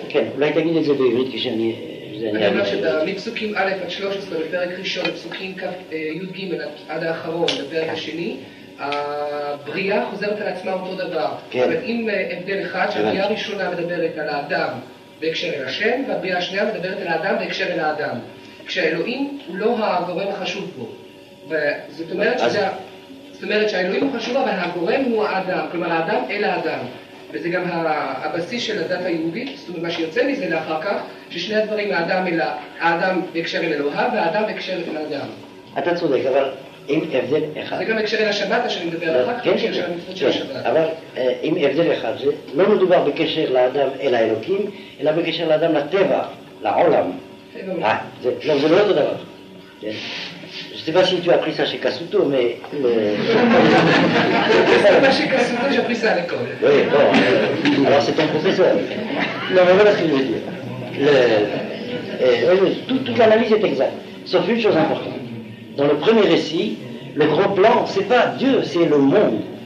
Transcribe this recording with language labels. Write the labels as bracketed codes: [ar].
[fr] Ok, vous l'avez terminé de dire, que j'ai mis. [he] מפסוקים א' עד 13 בפרק ראשון, מפסוקים י"ג עד האחרון בפרק השני, הבריאה חוזרת על עצמה אותו דבר. אבל אם הבדל אחד, שהבריאה הראשונה מדברת על האדם בהקשר אל השם, והבריאה השנייה מדברת על האדם בהקשר אל האדם. כשהאלוהים הוא לא הגורם החשוב פה. זאת אומרת שהאלוהים הוא חשוב, אבל הגורם הוא האדם, כלומר האדם אל האדם. וזה גם הבסיס של הדת היהודית, זאת אומרת, מה שיוצא מזה לאחר כך, ששני הדברים, האדם בהקשר אל אלוהיו, והאדם בהקשר אל האדם. אתה צודק, אבל עם הבדל אחד. זה גם בהקשר אל השבת, שאני מדבר על אחר כך, אבל עם הבדל אחד, זה לא מדובר בקשר לאדם אל האלוקים, אלא בקשר לאדם לטבע, לעולם. [fr] Ah, c'est l'autre d'abord. Je ne sais pas si tu as appris ça chez Kasuto, mais... Chez Kasuto, j'ai appris ça à l'école. Oui, bon. Alors, c'est ton professeur. Non, mais voilà ce que je veux dire. Toute l'analyse est exacte, sauf une chose importante. Dans le premier récit, le gros plan, c'est pas Dieu, c'est le monde.